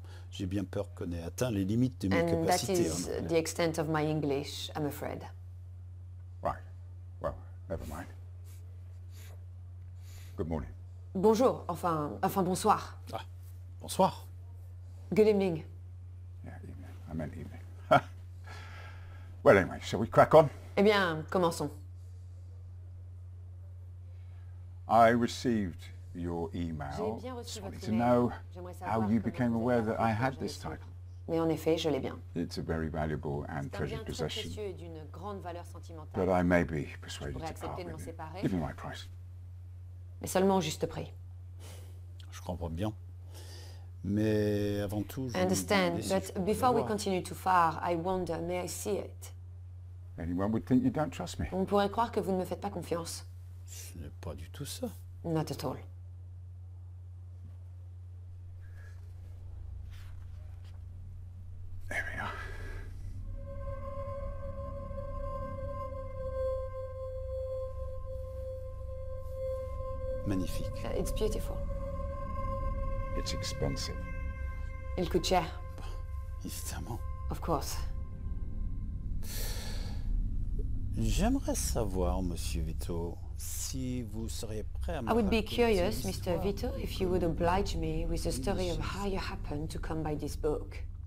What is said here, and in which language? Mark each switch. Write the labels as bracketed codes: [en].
[fr] J'ai bien peur qu'on ait atteint les limites de mes [en] and [fr] capacités. [en] And that is the extent of my English, I'm afraid. Right. Well, never mind. Good morning. [fr] Bonjour, enfin bonsoir. Ah. Bonsoir. [en] Good evening. Yeah, evening. I meant evening. Well, anyway, shall we crack on? [fr] Eh bien, commençons. [en] I received your email. [fr] J'ai bien reçu [en] sorry [fr] votre [en] to know how you became aware that I had this title. [fr] Mais en effet, je l'ai bien. [en] It's a very valuable and treasured possession. [fr] C'est un bien très précieux et d'une grande valeur sentimentale. [en] But I may be persuaded [fr] je pourrais [en] to part [fr] de m'en [en] with [fr] séparer. [en] It. Give me my price. [fr] Mais seulement au juste prix. Je comprends bien. Mais avant tout, [en] I understand, but before we continue too far, I wonder, may I see it? Anyone would think you don't trust me. [fr] On pourrait croire que vous ne me faites pas confiance. Ce n'est pas du tout ça. [en] Not at all. It's beautiful. It's expensive. [fr] Il coûte cher. Évidemment. [en] Of course. [fr] J'aimerais savoir, Monsieur Vito, si vous seriez prêt à me [en] I would be curious, Mr. Vito, if you would oblige me with the story of how you happened to come by this book.